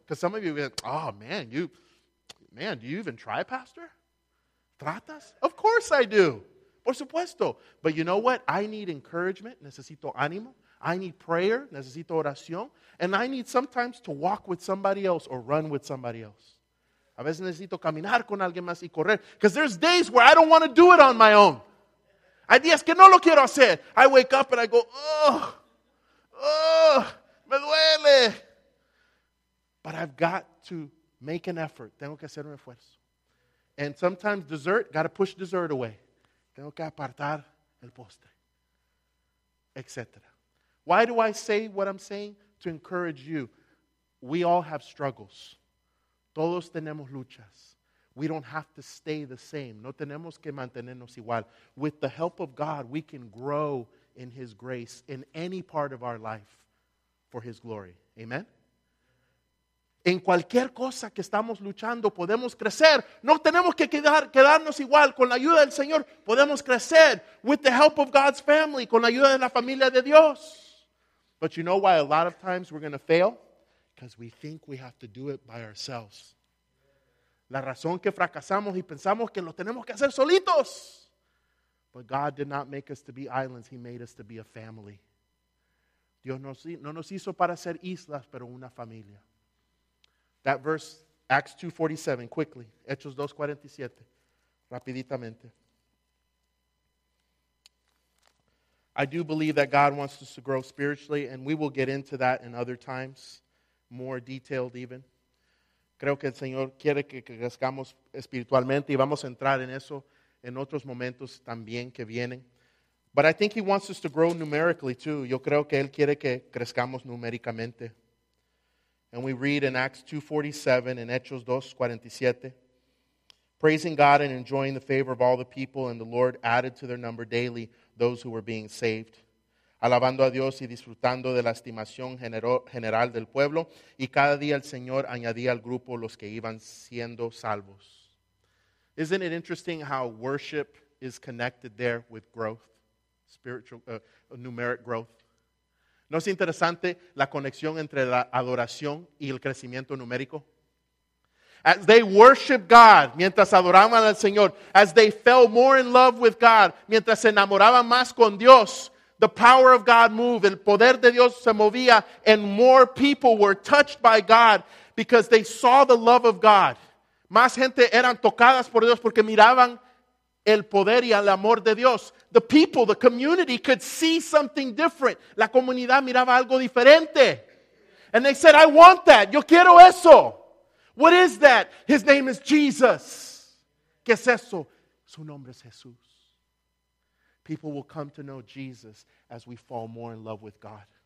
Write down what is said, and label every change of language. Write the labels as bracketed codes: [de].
[en] Because some of you are like, oh, man, do you even try, Pastor? [es] ¿Tratas? [en] Of course I do. [es] Por supuesto. [en] But you know what? I need encouragement. [es] Necesito ánimo. [en] I need prayer. [es] Necesito oración. [en] And I need sometimes to walk with somebody else or run with somebody else. [es] A veces necesito caminar con alguien más y correr. [en] Because there's days where I don't want to do it on my own. [es] Hay días que no lo quiero hacer. [en] I wake up and I go, ugh. [es] Oh, me duele. [en] But I've got to make an effort. [es] Tengo que hacer un esfuerzo. [en] And sometimes dessert, got to push dessert away. [es] Tengo que apartar el postre, etc. [en] Why do I say what I'm saying? To encourage you. We all have struggles. [es] Todos tenemos luchas. [en] We don't have to stay the same. [es] No tenemos que mantenernos igual. [en] With the help of God, we can grow in His grace in any part of our life for His glory. Amen? [es] En cualquier cosa que estamos luchando, podemos crecer. No tenemos que quedarnos igual. Con la ayuda del Señor, podemos crecer. [en] With the help of God's family, [es] con la ayuda de la familia de Dios. [en] But you know why a lot of times we're going to fail? Because we think we have to do it by ourselves. [es] La razón que fracasamos y pensamos que lo tenemos que hacer solitos. [en] But God did not make us to be islands. He made us to be a family. [es] Dios no nos hizo para ser islas, pero una familia. [en] That verse, Acts 2:47, quickly. [es] Hechos 2:47, rapiditamente. [en] I do believe that God wants us to grow spiritually, and we will get into that in other times, more detailed even. [es] Creo que el Señor quiere que crezcamos espiritualmente y vamos a entrar en eso en otros momentos también que vienen. [en] But I think He wants us to grow numerically too. [es] Yo creo que Él quiere que crezcamos numéricamente. [en] And we read in Acts 2:47 and Hechos 2:47, praising God and enjoying the favor of all the people, and the Lord added to their number daily those who were being saved. [es] Alabando a Dios y disfrutando de la estimación general del pueblo, y cada día el Señor añadía al grupo los que iban siendo salvos. [en] Isn't it interesting how worship is connected there with growth, spiritual, numeric growth? [es] ¿No es interesante la conexión entre la adoración y el crecimiento numérico? [en] As they worshiped God, [es] mientras adoraban al Señor, [en] as they fell more in love with God, [es] mientras se enamoraban más con Dios, [en] the power of God moved, [es] el poder de Dios se movía, [en] and more people were touched by God because they saw the love of God. [es] Más gente eran tocadas por Dios porque miraban el poder y el amor de Dios. [en] The people, the community could see something different. [es] La comunidad miraba algo diferente. [en] And they said, I want that. [es] Yo quiero eso. [en] What is that? His name is Jesus. [es] ¿Qué es eso? Su nombre es Jesús. [en] People will come to know Jesus as we fall more in love with God.